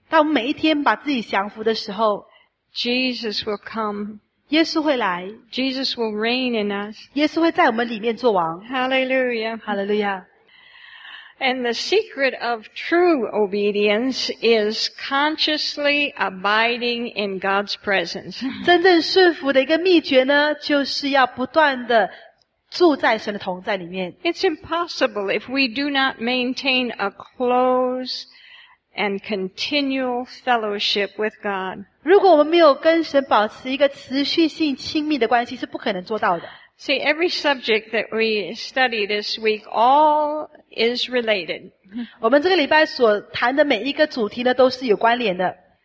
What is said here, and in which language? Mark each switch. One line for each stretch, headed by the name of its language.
Chinese: 当我们每一天把自己降服的时候,
English: Jesus will come.
Chinese: 耶稣会来。
English: Jesus will reign in us.
Chinese: 耶稣会在我们里面做王。
English: Hallelujah. Hallelujah. And the secret of true obedience is consciously abiding in God's presence.
Chinese: 真正顺服的一个秘诀呢, 就是要不断的
English: It's impossible if we do not maintain a close and continual fellowship with God.
Chinese: 如果我们没有跟神保持一个持续性亲密的关系，是不可能做到的。
English: See, every subject that we study this week, all is related.
Chinese: 我们这个礼拜所谈的每一个主题呢，都是有关联的。